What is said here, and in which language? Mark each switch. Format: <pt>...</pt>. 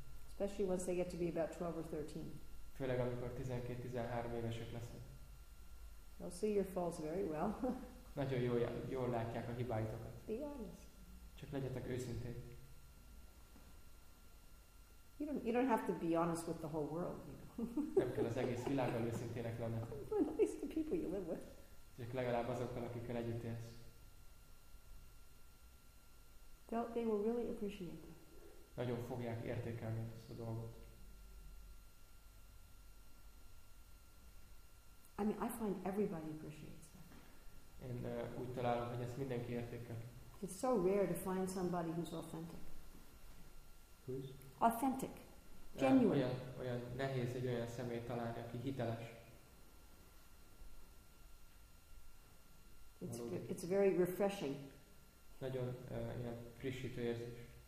<en>Especially once they get to be about 12 or 13.</en> <hu>Főleg amikor 12-13 évesek lesznek.</hu> <en>They'll see your faults very well.</en> <hu>Nagyon jól látják a hibáitokat.</hu> <en>Be honest.</en> <hu>Csak legyetek őszinték.</hu> <en>You don't have to be honest with the whole world, you know.</en> <hu>Nem kell az egész világgal őszintének lenni.</hu> <en>But at least the people you live with.</en> <hu>Csak legalább azokkal, akikkel együtt élsz.</hu> <en>They will really appreciate that.</en> <hu>Nagyon fogják értékelni ezt a dolgot.</hu> <en>I mean, I find everybody appreciates that.</en> <hu>Én úgy találom, hogy ezt mindenki értékel.</hu> <en>It's so rare to find somebody who's authentic. Who's? Authentic. Genuine.</en> <hu>Olyan nehéz egy olyan személyt találni, aki hiteles.</hu> <en>It's very refreshing.</en> <hu>Nagyon ilyen frissítő érzés.</hu>